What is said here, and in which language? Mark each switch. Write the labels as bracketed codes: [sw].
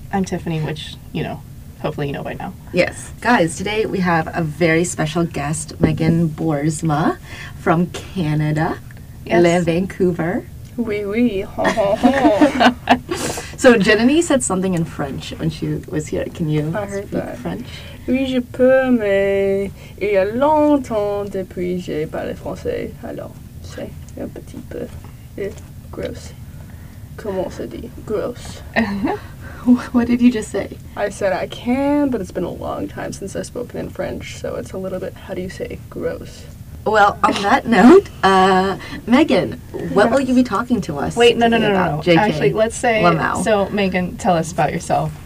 [en] I'm Tiffany, which, you know, hopefully you know by now. Yes. Guys, today we have a very special guest, Meghan Boersma from Canada. Yes. Le Vancouver. [fr] Oui, oui. Ho, ho, ho. [en] So, Jenny said something in French when she was here. Can you speak French? [fr] Oui, je peux, mais il y a longtemps depuis j'ai parlé français. Alors, c'est un petit peu gross. Comment ça dit? Gross. [en] What did you just say? I said I can, but it's been a long time since I've spoken in French, so it's a little bit, how do you say, gross. Well, on that note, Meghan, what will you be talking to us? Wait, no. JK. Actually, let's say, Lamau. So Meghan, tell us about yourself.